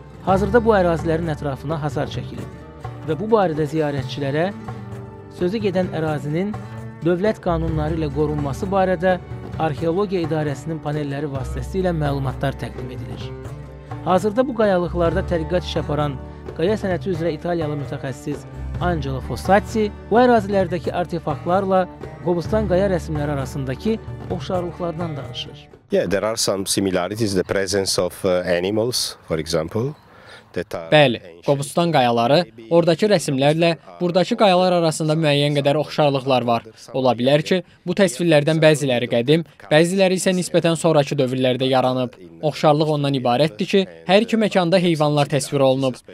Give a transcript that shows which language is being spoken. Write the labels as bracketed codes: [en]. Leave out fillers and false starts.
[az] Hazırda bu ərazilərin ətrafına hasar çəkilib və bu barədə ziyarətçilərə sözü gedən ərazinin dövlət qanunları ilə qorunması barədə Arxeologiya İdarəsinin panelləri vasitəsilə məlumatlar təqdim edilir. Hazırda bu qayalıqlarda tədqiqat iş aparan qaya sənəti üzrə İtaliyalı mütəxəssis Angelo Fossati bu ərazilərdəki artefaktlarla Qobustan qaya rəsimləri arasındakı oxşarlıqlardan danışır. [en] Yeah, there are some similarities. The presence of animals, for example. [az] Bəli, Qobustan qayaları, oradakı rəsimlərlə buradakı qayalar arasında müəyyən qədər oxşarlıqlar var. Ola bilər ki, bu təsvirlərdən bəziləri qədim, bəziləri isə nisbətən sonrakı dövrlərdə yaranıb. Oxşarlıq ondan ibarətdir ki, hər iki məkanda heyvanlar təsvir olunub.